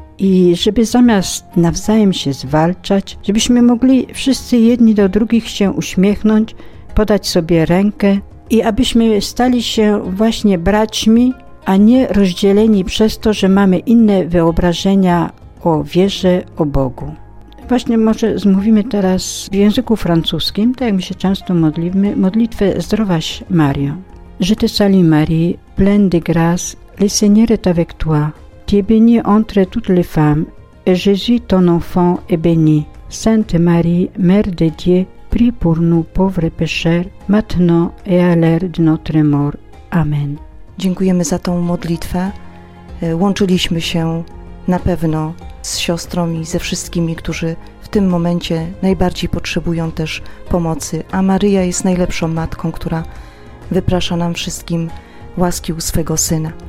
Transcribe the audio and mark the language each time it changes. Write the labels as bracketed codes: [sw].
[pl] I żeby zamiast nawzajem się zwalczać, żebyśmy mogli wszyscy jedni do drugich się uśmiechnąć, podać sobie rękę i abyśmy stali się właśnie braćmi, a nie rozdzieleni przez to, że mamy inne wyobrażenia o wierze, o Bogu. Właśnie może zmówimy teraz w języku francuskim, tak jak my się często modlimy, modlitwę Zdrowaś Mario. [fr] Je te salue Marie, pleine de grâce, le Seigneur est avec toi. Tu es bénie entre toutes les femmes, et Jésus ton enfant est béni. Sainte Marie, Mère de Dieu, prie pour nous pauvres pécheurs, maintenant et à l'heure de notre mort. Amen. [pl] Dziękujemy za tą modlitwę. Łączyliśmy się na pewno z siostrą i ze wszystkimi, którzy w tym momencie najbardziej potrzebują też pomocy. A Maryja jest najlepszą matką, która wyprasza nam wszystkim łaski u swego syna.